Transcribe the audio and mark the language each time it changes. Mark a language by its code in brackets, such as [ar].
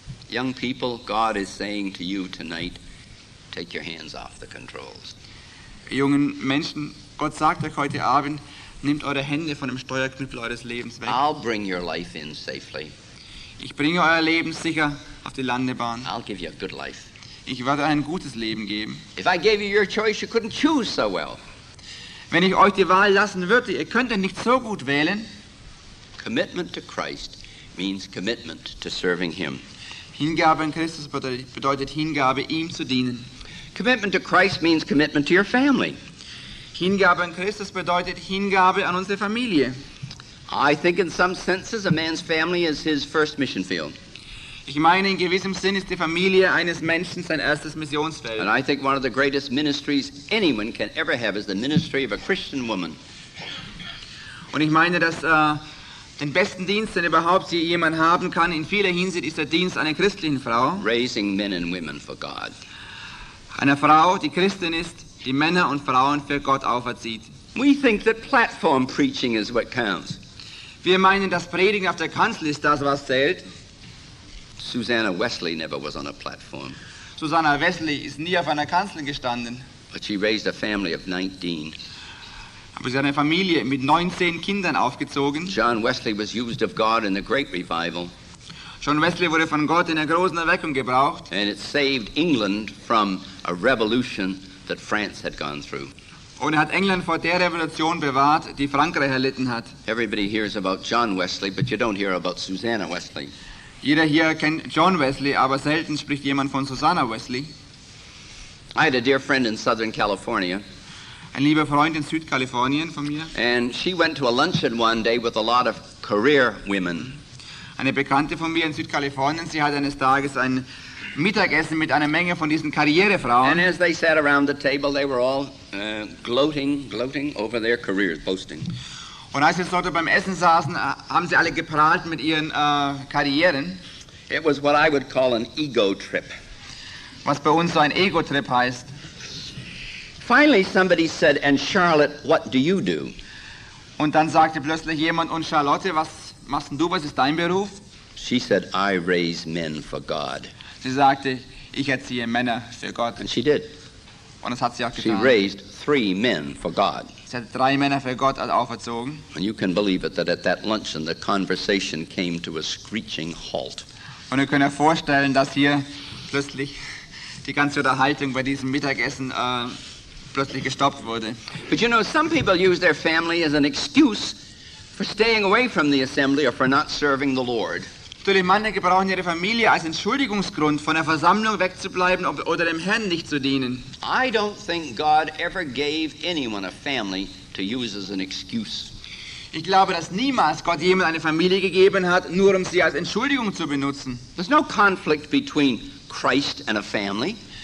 [en] Young people, God is saying to you tonight, take your hands off the controls. [de] Jungen Menschen, Gott sagt euch heute Abend, nehmt eure Hände von dem Steuerknüppel eures Lebens weg. [en] I'll bring your life in safely. [de] Ich bringe euer Leben sicher auf die Landebahn. [en] I'll give you a good life. [de] Ich werde ein gutes Leben geben. [en] If I gave you your choice, you couldn't choose so well. [de] Wenn ich euch die Wahl lassen würde, ihr könntet nicht so gut wählen. [en] Commitment to Christ means commitment to serving him. [de] Hingabe an Christus bedeutet Hingabe, ihm zu dienen. [en] Commitment to Christ means commitment to your family. [de] Hingabe an Christus bedeutet Hingabe an unsere Familie. [en] I think in some senses a man's family is his first mission field. [de] Ich meine, in gewissem Sinn ist die Familie eines Menschen sein erstes Missionsfeld. [en] And I think one of the greatest ministries anyone can ever have is the ministry of a Christian woman. [de] Und ich meine, dass den besten Dienst, den überhaupt jemand haben kann, in vieler Hinsicht ist der Dienst einer christlichen Frau. [en] Raising men and women for God. [de] Einer Frau, die Christin ist, die Männer und Frauen für Gott auferzieht. [en] We think that platform preaching is what counts. [de] Wir meinen, dass Predigen auf der Kanzel ist das, was zählt. [en] Susanna Wesley never was on a platform. [de] Susanna Wesley ist nie auf einer Kanzel gestanden. [en] But she raised a family of 19. [de] Aber sie hat eine Familie mit 19 Kindern aufgezogen. [en] John Wesley was used of God in the Great Revival. [de] John Wesley wurde von Gott in der großen Erweckung gebraucht. [en] And it saved England from a revolution that France had gone through. [de] Und er hat England vor der Revolution bewahrt, die Frankreich erlitten hat. [en] Everybody hears about John Wesley, but you don't hear about Susanna Wesley. [de] Jeder hier kennt John Wesley, aber selten spricht jemand von Susanna Wesley. [en] I had a dear friend in Southern California. [de] Ein lieber Freund in Südkalifornien von mir. [en] And she went to a luncheon one day with a lot of career women. [de] Eine Bekannte von mir in Südkalifornien, sie hat eines Tages ein Mittagessen mit einer Menge von diesen Karrierefrauen. [en] And as they sat around the table, they were all gloating over their careers, boasting. [de] Und als sie dort beim Essen saßen, haben sie alle geprahlt mit ihren Karrieren. [en] It was what I would call an ego trip. [de] Was bei uns so ein Ego-Trip heißt. [en] Finally somebody said, and Charlotte, what do you do? [de] Und dann sagte plötzlich jemand, und Charlotte, was machst du, was ist dein Beruf? [en] She said, I raise men for God. [de] Sie sagte, ich erziehe Männer für Gott. [en] And she did. [de] Und das hat sie auch getan. [en] She raised 3 men for God. [de] Sie hat 3 Männer für Gott auferzogen. [en] And you can believe it that at that luncheon the conversation came to a screeching halt. [de] Und ihr könnt euch vorstellen, dass hier plötzlich die ganze Unterhaltung bei diesem Mittagessen plötzlich gestoppt wurde. [en] But you know, some people use their family as an excuse for staying away from the assembly or for not serving the Lord. [de] Natürlich, manche brauchen ihre Familie als Entschuldigungsgrund, von der Versammlung wegzubleiben oder dem Herrn nicht zu dienen. [en] I don't think God ever gave anyone a family to use as an excuse. [de] Ich glaube, dass niemals Gott jemand eine Familie gegeben hat, nur um sie als Entschuldigung zu benutzen. [en] There's no conflict between Christ and a family.